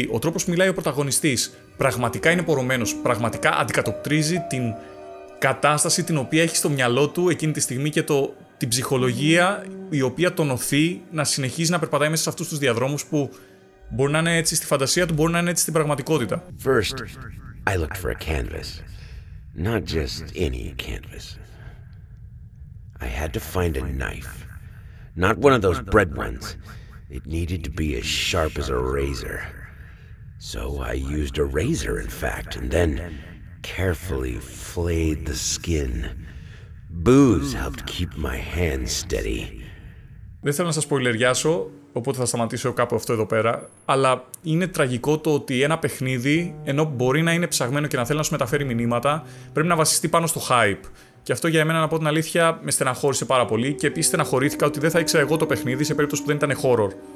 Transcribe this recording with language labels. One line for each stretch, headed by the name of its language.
Greek: ο τρόπος που μιλάει ο πρωταγωνιστής πραγματικά είναι πορωμένος, πραγματικά αντικατοπτρίζει την κατάσταση την οποία έχει στο μυαλό του εκείνη τη στιγμή και την ψυχολογία η οποία τον οθεί να συνεχίζει να περπατάει μέσα σε αυτούς τους διαδρόμους που μπορεί να είναι έτσι στη φαντασία του, μπορεί να είναι έτσι στην πραγματικότητα.
English: First, I looked for a canvas. Not just any canvas. I had to find a knife. Not one of those bread ones. It needed to be as sharp as a razor. So I used a razor, in fact, and then carefully flayed the skin. Booze helped keep my hands steady.
Greek: Δεν θέλω να σας σποιλεριάσω, οπότε θα σταματήσω κάπου αυτό εδώ πέρα, αλλά είναι τραγικό το ότι ένα παιχνίδι, ενώ μπορεί να είναι ψαγμένο και να θέλει να σου μεταφέρει μηνύματα, πρέπει να βασιστεί πάνω στο hype. Και αυτό για μένα, να πω την αλήθεια, με στεναχώρησε πάρα πολύ και επίσης στεναχωρήθηκα ότι δεν θα ήξερα εγώ το παιχνίδι σε περίπτωση που δεν ήταν horror.